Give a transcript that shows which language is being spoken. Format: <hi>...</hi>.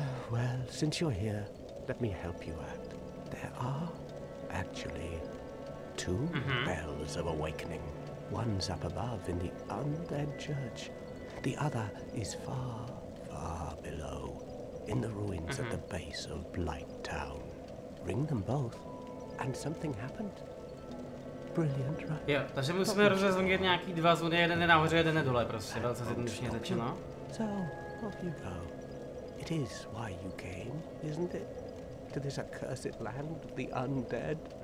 <en>Well, since you're here, let me help you out. There are, actually, two bells of awakening. One's up above in the undead church. The other is far, far below, in the ruins at the base of Blight Town. Ring them both, and something happened.</en> <cs>Jo, takže musíme rozezvonit nějaký dva zvony, jeden je nahoře, jeden je dole, prostě, velice zjednodušeně řečeno.</cs> <en>So, off you go. It is why you came, isn't it? To this accursed land of the undead?</en>